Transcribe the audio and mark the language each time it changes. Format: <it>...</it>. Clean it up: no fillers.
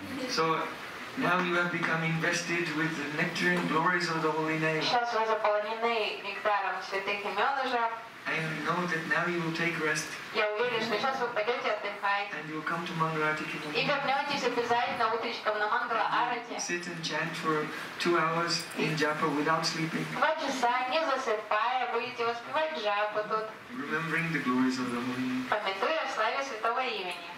<en>So now you have become invested with the nectar and glories of the holy name.</en> <ru>Сейчас вы заполнены нектаром святых имен уже.</ru> <en>I know that now you will take rest.</en> <ru>Я уверен, что сейчас вы пойдете отдыхать.</ru> <en>And you will come to Mangala Arati.</en> <ru>И вернетесь обязательно утречком на Mangala Arati.</ru> <en>Sit and chant for 2 hours in Japa without sleeping.</en> <ru>2 часа не засыпая будете воспевать Джапу тут.</ru> <en>Remembering the glories of the Holy Name.</en> <ru>Памятуя о славе святого имени.</ru>